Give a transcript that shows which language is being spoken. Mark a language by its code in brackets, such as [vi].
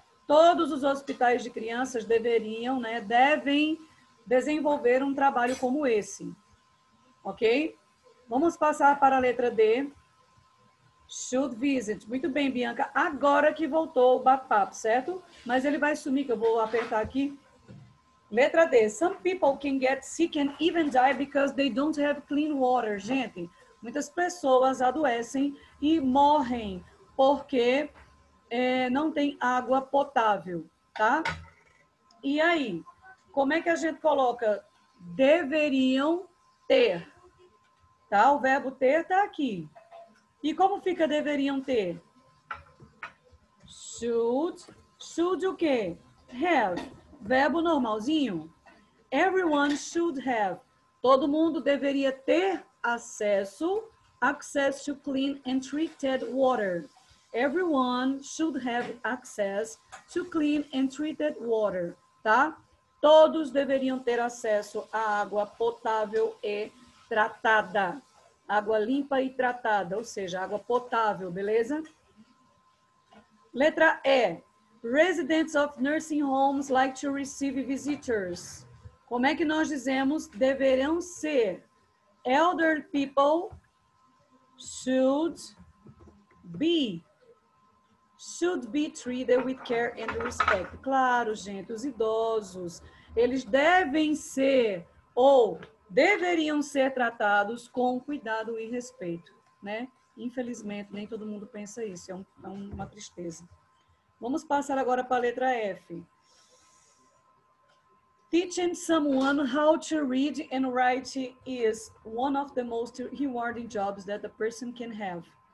[pt] Todos os hospitais de crianças deveriam, né, devem desenvolver um trabalho como esse. Ok? Vamos passar para a letra D. Should visit. Muito bem, Bianca. Agora que voltou o bate-papo, certo? Mas ele vai sumir, que eu vou apertar aqui. Letra D. [en] Some people can get sick and even die because they don't have clean water. [pt] Gente, muitas pessoas adoecem e morrem porque... não tem água potável, tá? E aí, como é que a gente coloca deveriam ter? Tá? O verbo ter está aqui. E como fica deveriam ter? Should. Should o quê? Have. Verbo normalzinho. [en] Everyone should have. [pt] Todo mundo deveria ter acesso. [en] Access to clean and treated water. Everyone should have access to clean and treated water. [pt] Tá? Todos deveriam ter acesso à água potável e tratada. Água limpa e tratada, ou seja, água potável, beleza? [en] Letra E. Residents of nursing homes like to receive visitors. [pt] Como é que nós dizemos deverão ser? [en] Elder people should be. Should be treated with care and respect. [pt] Claro, gente, os idosos, eles devem ser ou deveriam ser tratados com cuidado e respeito, né? Infelizmente, nem todo mundo pensa isso, é uma tristeza. Vamos passar agora para a letra F. [en] Teaching someone how to read and write is one of the most rewarding jobs that a person can have.